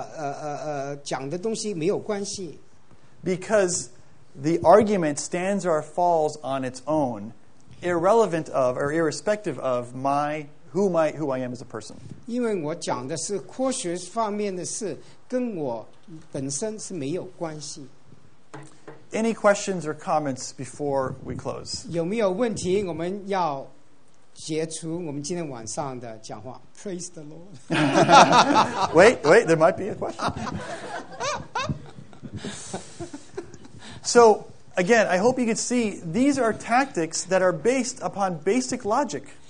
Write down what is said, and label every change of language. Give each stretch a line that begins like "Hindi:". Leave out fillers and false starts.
Chinese: 无论我是希特拉、毛泽东还是任何一个人，但是跟我科学的讲的东西没有关系。
English: Because the argument stands or falls on its own, irrelevant of or irrespective of my who I am as a person.
Chinese: 因为我讲的是科学方面的事，跟我本身是没有关系。
English: Any questions or comments before we close?
Chinese: 有没有问题？我们要结束我们今天晚上的讲话。
English: Praise the Lord. wait, there might be a question. So, again, I hope you can see these are tactics that are based upon basic logic.